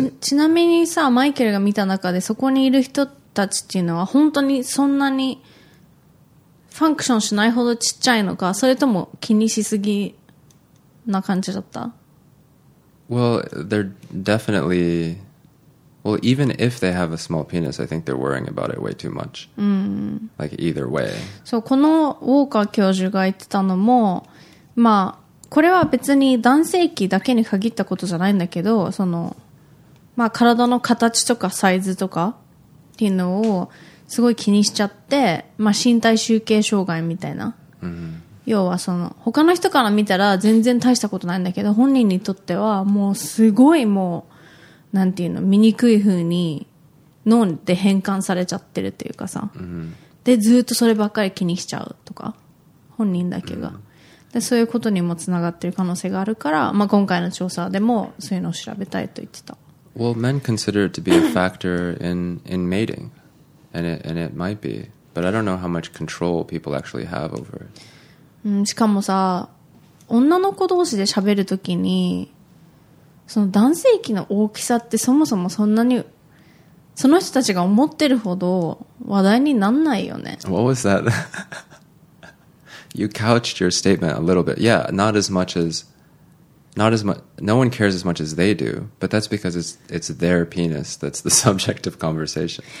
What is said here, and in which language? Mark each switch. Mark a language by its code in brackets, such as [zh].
[ja] ちなみにさ、マイケルが見た中でそこにいる人たちっていうのは本当にそんなにファンクションしないほどちっちゃいのか、それとも気にしすぎな感じだった? [en] Well, they're definitely... Well, even if they have a small penis, I think they're worrying about it way too much. Like, either way. [ja] そう、このウォーカー教授が言ってたのも、まあ、これは別に男性器だけに限ったことじゃないんだけど、その、まあ、体の形とかサイズとかっていうのをすごい気にしちゃって、まあ、身体集計障害みたいな。要はその、他の人から見たら全然大したことないんだけど、本人にとってはもうすごいもう、なんていうの、見にくい風に脳で変換されちゃってるっていうかさ、でずっとそればっかり気にしちゃうとか本人だけが、でそういうことにもつながってる可能性があるから、まあ、今回の調査でもそういうのを調べたいと言ってた。 [en] Well, men consider it to be a factor in mating, and it might be, but I don't know how much control people actually have over it. [ja] しかもさ、女の子同士で喋るときにその男性器の大きさってそもそもそんなにその人たちが思ってるほど話題になんないよね。 [en] What was that? You couched your statement a little bit. Yeah, no one cares as much as they do, but that's because it's their penis that's the subject of conversation.